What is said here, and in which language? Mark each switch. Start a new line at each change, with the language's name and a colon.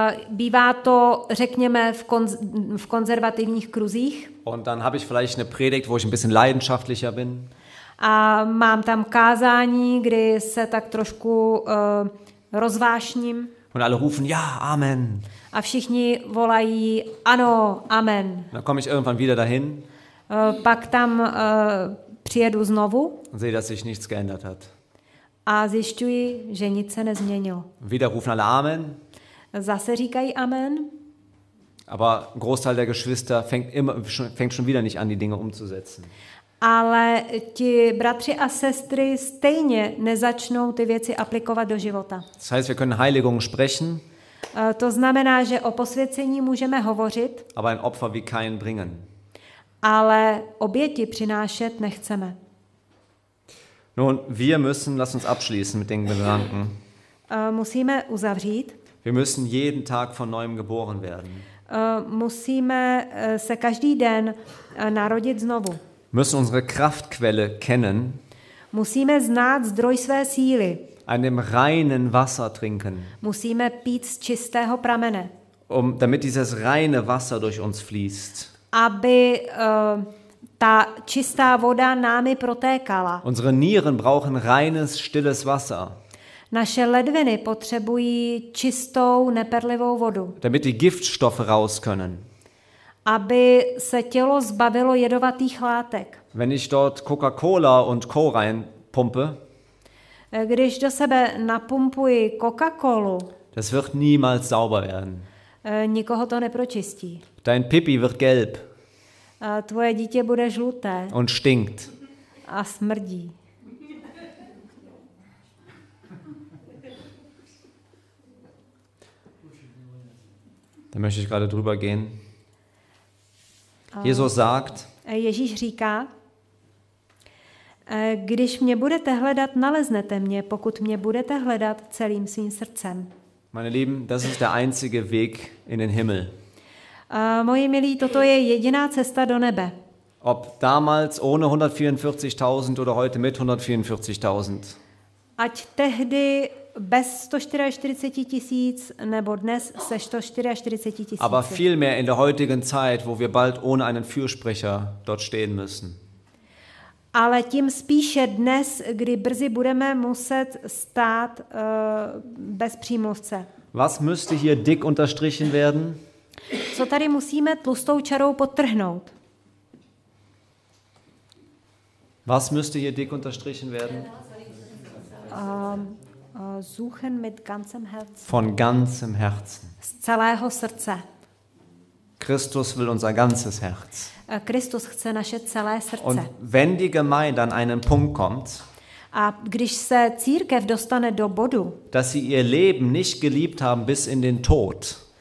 Czech: Bývá to, řekněme, v konzervativních kruzích.
German: Und dann habe ich vielleicht eine Predigt, wo ich ein bisschen leidenschaftlicher bin.
Czech: A mám tam kázání, kdy se tak trošku rozvášním.
German: Und alle rufen ja, amen.
Czech: A všichni volají ano, amen.
German: Dann komme ich irgendwann wieder dahin.
Czech: Pak tam přijedu znovu.
German: Sehe, dass sich nichts geändert hat.
Czech: A zjišťuji, že nic se nezměnilo.
German: Wieder rufen alle amen.
Czech: Zase říkají amen.
German: Aber ein Großteil der Geschwister fängt schon wieder nicht an, die Dinge umzusetzen.
Czech: Ale ti bratři a sestry stejně nezačnou ty věci aplikovat do života.
German: Das heißt, wir können Heiligung sprechen.
Czech: To znamená, že o posvěcení můžeme hovořit.
German: Aber ein Opfer wie kein bringen.
Czech: Ale oběti přinášet nechceme.
German: Nun, wir müssen, lass uns abschließen mit den Gedanken.
Czech: Musíme uzavřít.
German: Wir müssen jeden Tag von neuem geboren werden.
Czech: Musíme se každý den narodit znovu.
German: Müssen unsere Kraftquelle kennen.
Czech: Musíme znát zdroj své síly.
German: An dem reinen Wasser trinken.
Czech: Musíme pít z čistého pramene.
German: Damit dieses reine Wasser durch uns fließt.
Czech: Aby ta čistá voda námi protékala.
German: Unsere Nieren brauchen reines, stilles Wasser.
Czech: Naše ledviny potřebují čistou, neperlivou vodu.
German: Damit die Giftstoffe raus können.
Czech: Aby se tělo zbavilo jedovatých látek.
German: Wenn ich dort Coca-Cola und Co. reinpumpe,
Czech: když do sebe napumpuji Coca-Colu,
German: das wird niemals sauber werden.
Czech: Nikoho to nepročistí.
German: Dein Pipi wird gelb.
Czech: Tvoje dítě bude žluté.
German: Und stinkt.
Czech: A smrdí.
German: Da möchte ich gerade drüber gehen. Jesus sagt,
Czech: Ježíš říká, když mě budete hledat, naleznete mě, pokud mě budete hledat celým svým srdcem.
German: Meine Lieben, das ist der einzige Weg in den Himmel.
Czech: Moji milí, toto je jediná cesta do nebe.
German: Ob damals ohne 144.000 oder heute mit 144.000.
Czech: Ať tehdy bez 144 tisíc nebo dnes se 144 tisíc.
German: Aber vielmehr in der heutigen Zeit, wo wir bald ohne einen Fürsprecher dort stehen müssen.
Czech: Ale tím spíše dnes, kdy brzy budeme muset stát bez přímluvce.
German: Was müsste hier dick unterstrichen werden?
Czech: Co tady musíme tlustou čarou podtrhnout?
German: Was müsste hier dick unterstrichen werden? Suchen mit ganzem Herzen. Von ganzem Herzen.
Czech: Z celého srdce.
German: Christus will unser ganzes Herz.
Czech: Christus chce naše celé srdce.
German: Und wenn die Gemeinde an einen Punkt kommt,
Czech: a když se církev dostane do bodu,
German: dass sie ihr Leben nicht geliebt haben bis in den Tod,